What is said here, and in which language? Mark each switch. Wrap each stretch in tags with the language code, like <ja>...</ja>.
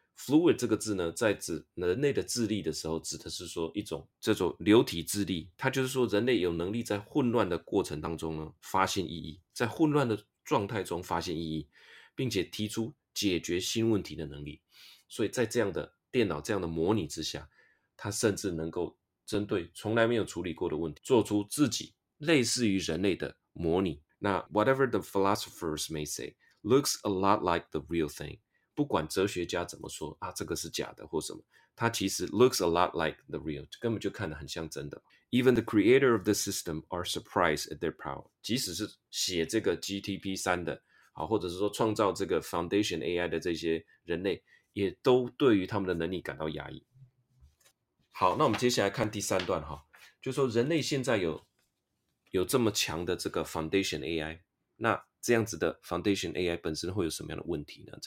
<zh>fluid 这个字呢在指人类的智力的时候指的是说一种这种流体智力，它就是说人类有能力在混乱的过程当中呢发现意义，在混乱的状态中发现意义，并且提出解决新问题的能力。所以在这样的电脑这样的模拟之下，它甚至能够针对从来没有处理过的问题做出自己类似于人类的模拟。那</zh> <en>whatever the philosophers may say looks a lot like the real thing，</en> <zh>不管哲学家怎么说啊，这个是假的或什么，它其实</zh> <en>looks a lot like the real，</en> <zh>根本就看得很像真的。</zh> <en>Even the creator of the system are surprised at their power，</en> <zh>即使是写这个 GTP3 的好，或者是说创造这个 Foundation AI 的这些人类也都对于他们的能力感到压抑。好，那我们接下来看第三段哈，就是说人类现在有这么强的这个 Foundation AI， 那这样子的 Foundation AI 本身会有什么样的问题呢？</zh>